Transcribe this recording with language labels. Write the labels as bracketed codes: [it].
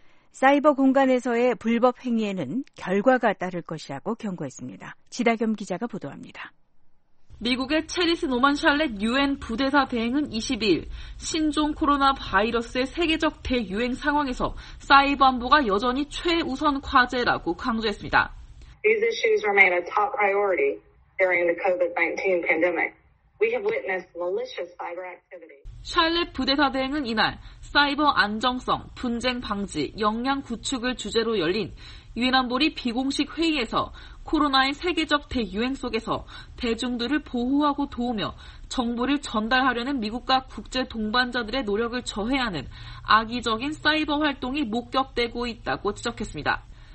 [ko] 사이버 공간에서의 불법 행위에는 결과가 따를 것이라고 경고했습니다. 지다겸 기자가 보도합니다. 미국의 체리스 노만 샬렛 유엔 부대사 대행은 20일 신종 코로나 바이러스의 세계적 대유행 상황에서 사이버 안보가 여전히 최우선 과제라고 강조했습니다. [en] These issues remain a top priority. During the COVID-19 pandemic, we have witnessed malicious cyber activity. [ko] 샬렛 부대사 대행은 이날 사이버 안정성, 분쟁 방지, 역량 구축을 주제로 열린 유엔 안보리 비공식 회의에서 코로나의 세계적 대유행 속에서 대중들을 보호하고 도우며 정보를 전달하려는 미국과 국제 동반자들의 노력을 저해하는 악의적인 사이버 활동이 목격되고 있다고 지적했습니다.